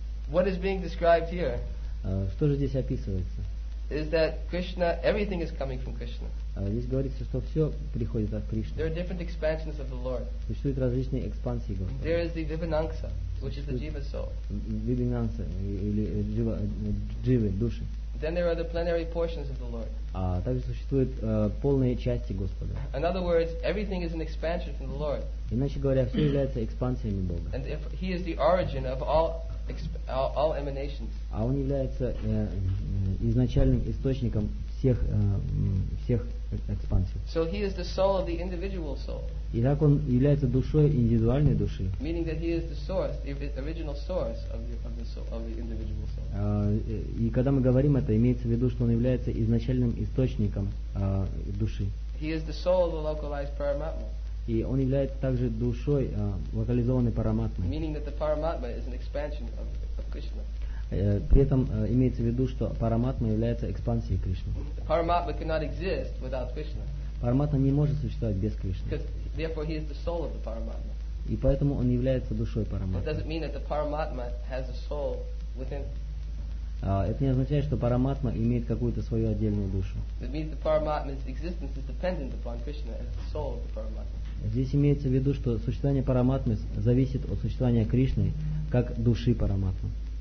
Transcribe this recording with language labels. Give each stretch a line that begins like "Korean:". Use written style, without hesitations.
English: What is being described here?
Russian: Что же здесь описывается?
English: Is that Krishna? Everything is coming from Krishna.
Russian: Здесь говорится, что все приходит от Кришны.
English: There are different expansions of the Lord.
Russian: Существуют различные экспансии Господа.
English: There is the Vibhinansa, which is the jiva soul.
Russian: Vibhinansa или jiva, души.
English: Then there are the plenary portions of the Lord.
Russian: Также существуют полные части Господа.
English: In other words, everything is an expansion from the Lord.
Russian: Иначе говоря, все является экспансиями Бога.
English: And if He is the origin of all emanations.
Russian: А он является изначальным источником всех всех экспансий.
English: So he is the soul of the individual soul.
Russian: И так он является душой индивидуальной души.
English: Meaning that he is the source, the original source of the individual soul.
Russian: И когда мы говорим это, имеется в виду, что он является изначальным источником души.
English: He is the soul of the localized Paramatma.
Russian: И он является также душой локализованной параматмы.
English: Meaning that the Paramatma is an expansion of Krishna.
Russian: При этом имеется в виду, что параматма является экспансией Кришны.
English: Paramatma cannot exist without Krishna.
Russian: Параматма не может существовать без Кришны.
English: Therefore, he is the soul of the Paramatma.
Russian: И поэтому он является душой параматмы.
English: That doesn't mean that the Paramatma has a soul within.
Russian: Это не означает, что параматма имеет какую-то свою отдельную душу.
English: It means the Paramatma's existence is dependent upon Krishna as the soul of the Paramatma.
Russian: Здесь имеется в виду, что существование параматмы зависит от существования Кришны как души параматмы.